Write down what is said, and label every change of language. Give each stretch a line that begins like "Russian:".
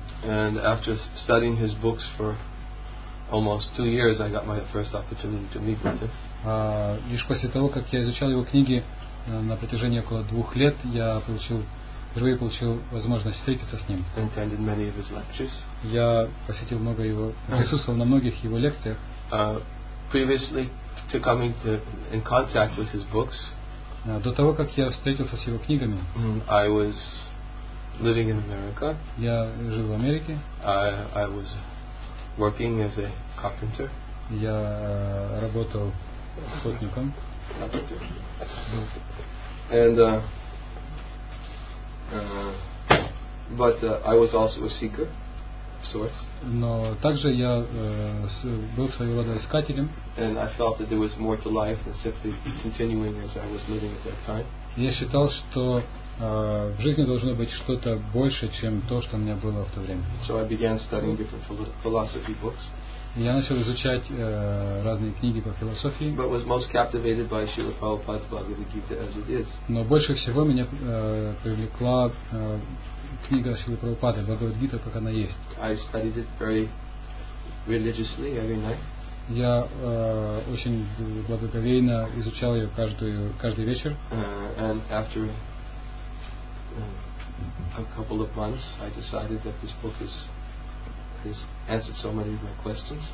English: And after studying his books for almost 2 years, I got my first opportunity to meet with him.
Russian: Лишь после того, как я изучал его книги на протяжении около 2 лет, я впервые получил возможность встретиться с ним.
English: Attended many of his lectures.
Russian: Я посетил много его, присутствовал на многих его лекциях.
English: Previously to coming to in contact with his books.
Russian: До того, как я встретился с его книгами,
English: I was living in America.
Russian: Я жил в Америке.
English: I was working as a carpenter.
Russian: Я работал сотником.
English: And but I was also a seeker, of sorts.
Russian: Но также я был своего рода искателем.
English: And I felt that there was more to life than simply continuing as I was living at that time.
Russian: Я считал, что в жизни должно быть что-то больше, чем то, что у меня было в то время.
English: So I began studying different philosophy books.
Russian: Я начал изучать разные книги по философии.
English: But was most captivated by Srila Prabhupada's Bhagavad Gita as it is.
Russian: Но больше всего меня привлекла книга Шрилы Прабхупады, Бхагавад Гита, как она есть.
English: I studied it very religiously every night.
Russian: Я очень благоговейно изучал ее каждый вечер.
English: And after a couple of months, I decided that this book is answered so many of my questions.